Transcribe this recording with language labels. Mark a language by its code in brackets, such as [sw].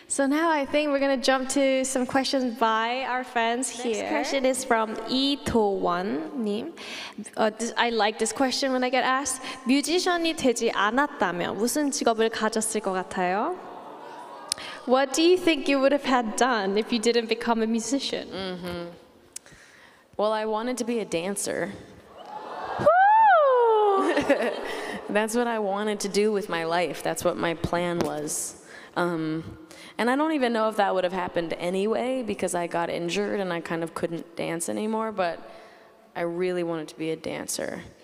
[en] So now I think we're going to jump to some questions by our fans here. Next question is from E21님. I like this question when I get asked. [ko] 뮤지션이 되지 않았다면 무슨 직업을 가졌을 것 같아요? [en] What do you think you would have had done if you didn't become a musician? Mm-hmm. Well, I wanted to be a dancer. Woo! That's what I wanted to do with my life. That's what my plan was. And I don't even know if that would have happened anyway, because I got injured and I kind of couldn't dance anymore, but I really wanted to be a dancer.